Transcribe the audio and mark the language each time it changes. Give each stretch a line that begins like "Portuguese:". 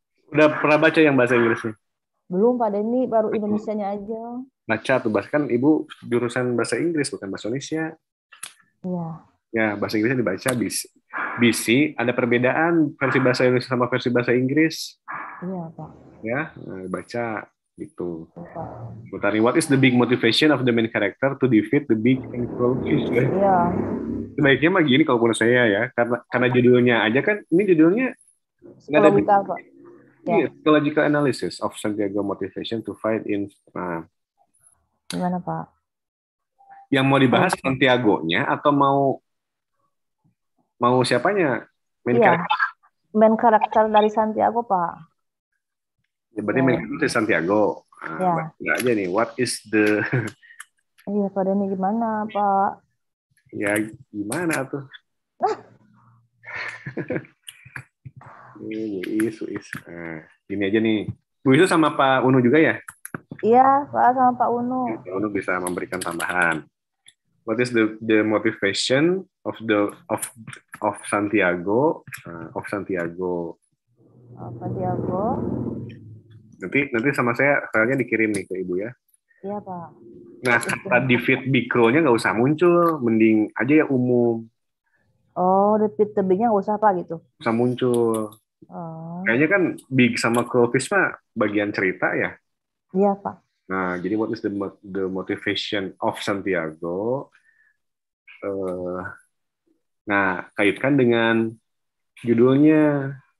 Indonesian: Udah pernah baca yang bahasa Inggrisnya? Belum, Pak Denny. Baru Indonesianya aja. Baca tuh. Kan Ibu jurusan bahasa Inggris, bukan bahasa Indonesia. Iya. Ya, bahasa Inggrisnya dibaca BC. Ada perbedaan versi bahasa Indonesia sama versi bahasa Inggris? Iya, Pak. Ya, baca. Gitu.
English: Betari, what is the big motivation of the main character to defeat the big and cruel fish?
Indonesian: Iya. Sebaiknya mah gini kalau menurut saya ya, karena judulnya aja kan, ini judulnya ada vital, Pak.
English: Yeah. Yeah, psychological analysis of Santiago motivation to fight in
Indonesian: gimana, Pak? Yang mau dibahas Santiago-nya atau mau siapanya? Main karakter. Main karakter dari Santiago, Pak. Berarti menurut Santiago. Iya. Nah, aja nih,
English: what is the...
Indonesian: Iya, Pak Denny, gimana, Pak? Ya, gimana tuh? Ini isu-isu. Nah, gini aja nih. Bu Isu sama Pak Unu juga ya? Iya, Pak, sama Pak Unu. Pak Unu bisa memberikan tambahan.
English: What is the motivation of the of Santiago? Of Santiago. Of Santiago.
Indonesian: Nanti sama saya filenya dikirim nih ke Ibu ya. Iya, Pak. Nah, kata
English: defeat big crow-
Indonesian: nya nggak usah muncul. Mending aja yang umum. Oh,
English: defeat the big-
Indonesian: nya nggak usah, Pak, gitu? Usah muncul. Oh. Kayaknya kan big sama crowfish mah bagian cerita ya? Iya, Pak. Nah, jadi
English: what is the motivation of Santiago?
Indonesian: Nah, kaitkan dengan judulnya.